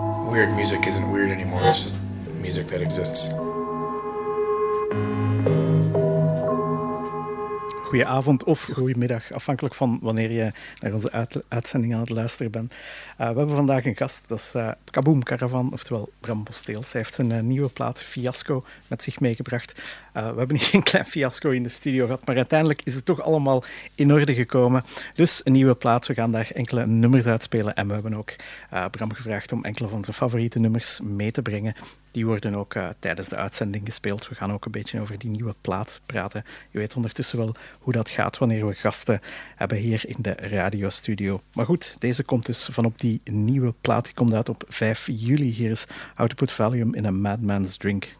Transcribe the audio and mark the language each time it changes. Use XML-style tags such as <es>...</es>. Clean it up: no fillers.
<en>Weird music isn't weird anymore. It's just music that exists.</en> <nl>Goedenavond of goedemiddag, afhankelijk van wanneer je naar onze uitzending aan het luisteren bent. We hebben vandaag een gast, dat is Kaboom Caravan, oftewel Bram Bosteels. Hij heeft zijn nieuwe plaat Fiasco met zich meegebracht. We hebben geen klein fiasco in de studio gehad, maar uiteindelijk is het toch allemaal in orde gekomen. Dus een nieuwe plaat, we gaan daar enkele nummers uitspelen. En we hebben ook Bram gevraagd om enkele van zijn favoriete nummers mee te brengen. Die worden ook tijdens de uitzending gespeeld. We gaan ook een beetje over die nieuwe plaat praten. Je weet ondertussen wel hoe dat gaat wanneer we gasten hebben hier in de radiostudio. Maar goed, deze komt dus van op die nieuwe plaat. Die komt uit op 5 juli. Hier is How to Put Valium in a Madman's Drink.</nl>